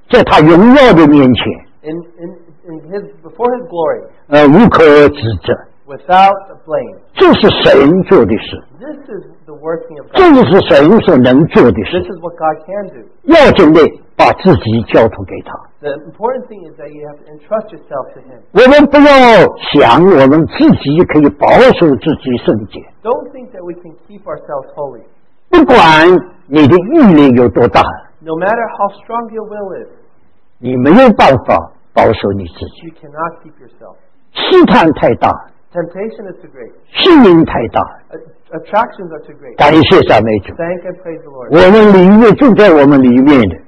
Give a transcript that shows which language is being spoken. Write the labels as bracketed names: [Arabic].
[Chinese] 在他荣耀的面前。 [English] In his, before his glory. [Chinese] 无可指责。 [English] Without blame. [Chinese] 这是神做的事。 [English] This is the working of God. [Chinese] 这就是神所能做的事。 [English] This is what God can do. [Chinese] 要准备把自己交托给他。 [English] The important thing is that you have to entrust yourself to him. [Chinese] 我们不要想我们自己可以保守自己圣洁。 [English] Don't think that we can keep ourselves holy. [Chinese] 不管你的毅力有多大， [English] No matter how strong your will is, [Chinese] 你没有办法保守你自己。 [English] You cannot keep yourself. [Chinese] 试探太大。 [English] Temptation is too great. [Chinese] 吸引太大。 [English] Attractions are too great. [Chinese] 感谢赞美主。 [English] Thank and praise the Lord. [Chinese] 我们里面住在我们里面的。